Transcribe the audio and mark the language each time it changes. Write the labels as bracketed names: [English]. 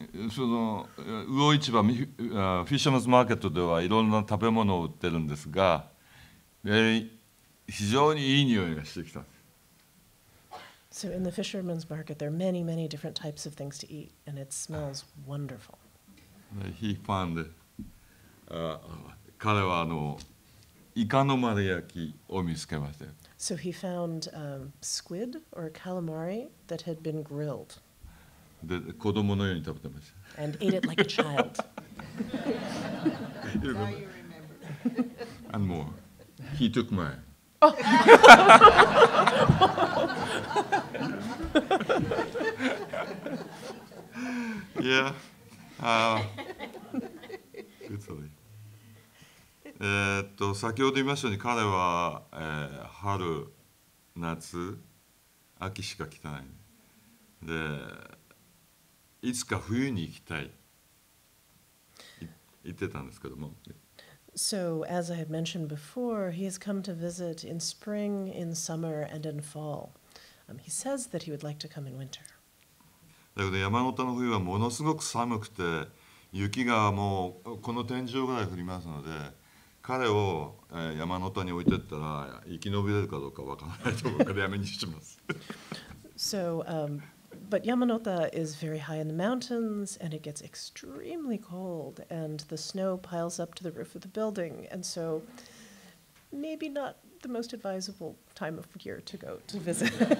[Japanese] その魚市場、フィッシャーマンズマーケットではいろんな食べ物を売ってるんですが、非常にいい匂いがしてきた。 [English] So in the fisherman's market, there are many, many different types of things to eat, and it smells wonderful. He found, [Japanese] 彼はイカの丸焼きを見つけました。 [English] So he found squid or calamari that had been grilled. [Japanese] で、子供のように食べてました。 [English] And ate it like a child. Now you remember. And more. He took mine. Yeah. Italy. [Japanese] 先ほど言いましたように彼は、春、夏、秋しか来てない。で、いつか冬に行きたい。言ってたんですけども。 [English] So, as I had mentioned before, he has come to visit in spring, in summer, and in fall. He says that he would like to come in winter. [Japanese] だけど山本の冬はものすごく寒くて、雪がもうこの天井ぐらい降りますので、彼を山本に置いてったら生き延びれるかどうかわからないと僕はやめにします。 [English] So, but Yamanota is very high in the mountains, and it gets extremely cold, and the snow piles up to the roof of the building, and so maybe not the most advisable time of year to go to visit.